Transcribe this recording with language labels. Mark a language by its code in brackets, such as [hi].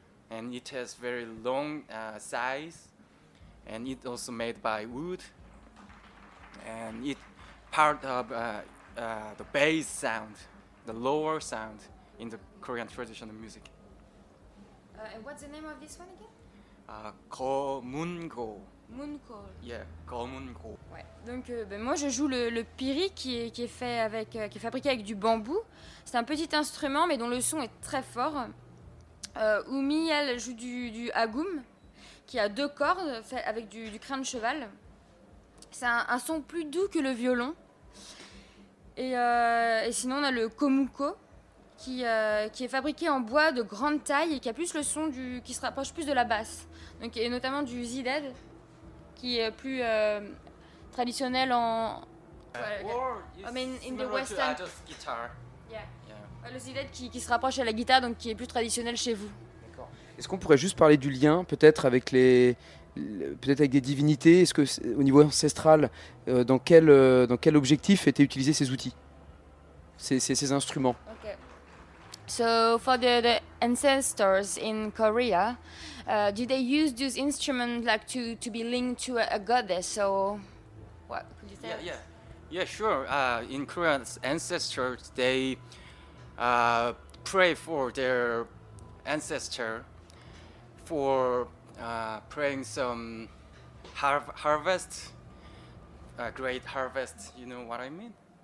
[en] And it has very long size, and it also made by wood. And it part of the bass sound, the lower sound in the Korean traditional music. And what's the name of this one again? Geomungo. Mungo. Yeah, geomungo. [fr] Ouais. Donc moi je joue le piri qui est fabriqué avec du bambou. C'est un petit instrument mais dont le son est très fort. Umi elle joue du agum qui a deux cordes fait avec du crin de cheval. C'est un son plus doux que le violon. Et sinon, on a le komuko, qui est fabriqué en bois de grande taille et qui a plus le son qui se rapproche plus de la basse. Donc, et notamment du zided, qui est plus traditionnel en... [en] Western guitar. Yeah. [fr] Yeah. Le zided qui se rapproche à la guitare, donc qui est plus traditionnel chez vous. D'accord. Est-ce qu'on pourrait juste parler du lien, peut-être, avec les... peut-être avec des divinités, est-ce que au niveau ancestral, dans quel objectif étaient utilisés ces outils? ces instruments. [en] Okay. So for the ancestors in Korea, do they use those instruments like to be linked to a goddess? So what could you say? Yeah, sure. In Korea, ancestors they pray for their ancestor for praying some harvest, a great harvest. You know what I mean?